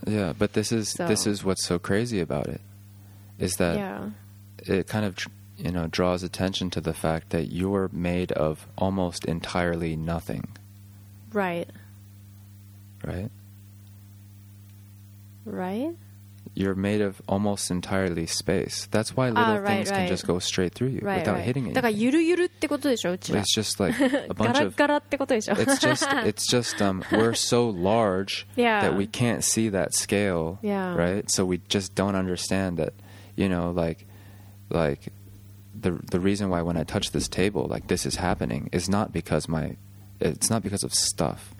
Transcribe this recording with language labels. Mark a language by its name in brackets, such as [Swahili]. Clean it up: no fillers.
[English] Yeah, but this is what's so crazy about it, is that it kind of, you know, draws attention to the fact that you're made of almost entirely nothing. Right. Right? Right? You're made of almost entirely space. That's why little things can just go straight through you without hitting anything. [Japanese] だからゆるゆるってことでしょ、うちら。 [English] It's just like a bunch [Japanese] of... ガラガラってことでしょ。 [English] It's just we're so large that we can't see that scale, right? So we just don't understand that, you know, like the reason why when I touch this table, like this is happening, is not because my... It's not because of stuff.